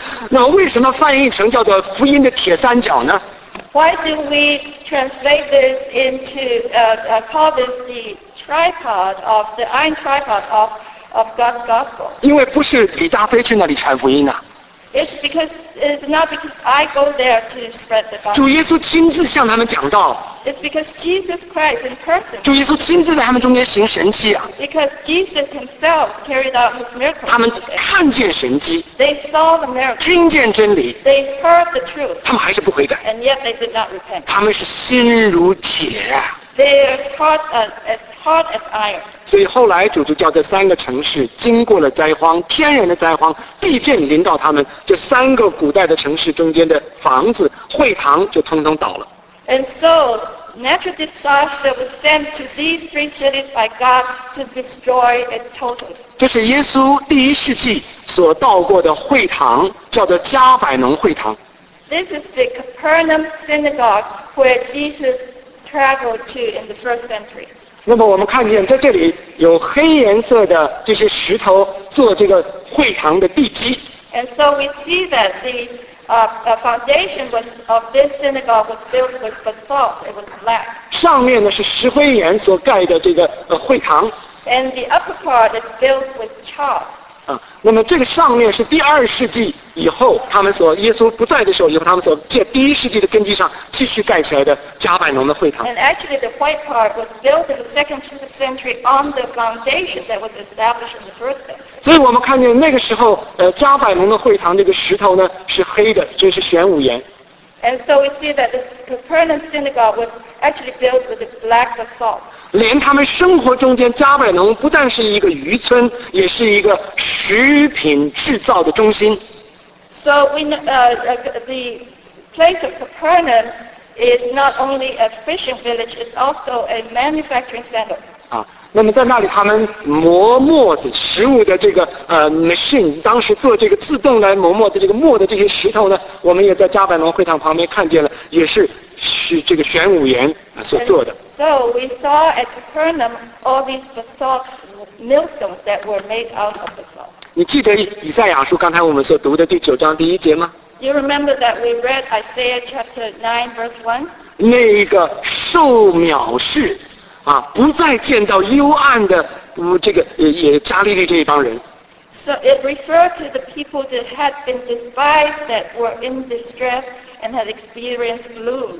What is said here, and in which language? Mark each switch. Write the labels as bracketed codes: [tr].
[zh] 那为什么翻译成叫做福音的铁三角呢？ [en] Why do we translate this into call this the tripod of the Iron Tripod of God's Gospel? [zh] 因为不是李大飞去那里传福音呢、啊。 [en] It's not because I go there to spread the gospel. [zh] 主耶稣亲自向他们讲道。 [en] It's because Jesus Christ in person. [zh] 主耶稣亲自在他们中间行神迹啊。 [en] Because Jesus himself carried out his miracles. [zh] 他们看见神迹。 [en] They saw the miracles. [zh] 听见真理。 [en] They heard the truth. [zh] 他们还是不悔改。 [en] And yet they did not repent. [zh] 他们是心如铁啊。 [en] Their heart as hard as iron. [zh] 所以后来主就叫这三个城市经过了灾荒，天然的灾荒，地震临到他们，这三个古代的城市中间的房子、会堂就通通倒了。 [en] And so natural disaster was sent to these three cities by God to destroy it totally. [zh] 这是耶稣第一世纪所到过的会堂，叫做加百农会堂。 [en] This is the Capernaum synagogue where Jesus. Traveled to in the first century. [zh] 那么我们看见在这里有黑颜色的这些石头做这个会堂的地基。 [en] And so we see that the foundation was of this synagogue was built with basalt. It was black. [zh] 上面呢是石灰岩所盖的这个会堂。 [en] And the upper part is built with chalk. [zh] 那么这个上面是第二世纪以后，他们所耶稣不在的时候，以后他们所借第一世纪的根基上继续盖起来的加百农的会堂。 [en] And actually, the white part was built in the second century on the foundation that was established in the first century. [zh] 所以我们看见那个时候，加百农的会堂这个石头呢是黑的，这是玄武岩。 [en] And so we see that the Capernaum synagogue was actually built with a black basalt. [zh] 连他们生活中间加百农不但是一个渔村，也是一个食品制造的中心。 [en] So we the place of Capernaum is not only a fishing village, it's also a manufacturing center. [zh] 那么在那里他们磨磨子食物的这个machine， 当时做这个自动来磨磨的这个磨的这些石头呢，我们也在加百农会堂旁边看见了，也是这个玄武岩所做的。 [en] And、so we saw at Capernaum all these basalt millstones that were made out of basalt. [zh] 你记得以赛亚书刚才我们所读的第九章第一节吗？ [en] You remember that we read Isaiah chapter 9 verse 1? [zh] 那个受藐视啊、不再见到幽暗的、这个也加利利这一帮人。 [en] So it referred to the people that had been despised, that were in distress and had experienced gloom.